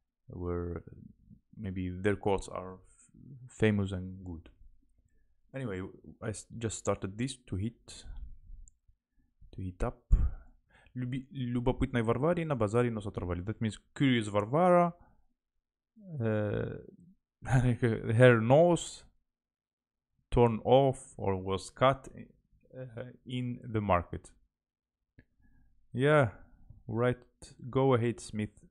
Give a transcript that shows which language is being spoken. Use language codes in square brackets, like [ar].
[en] Where maybe their quotes are famous and good. Anyway, I just started this to heat up. [ru] Любопытная Варваре на базаре нос оторвали. [en] That means curious Варвара, her nose torn off or was cut in the market. Yeah, right. Go ahead, Smith.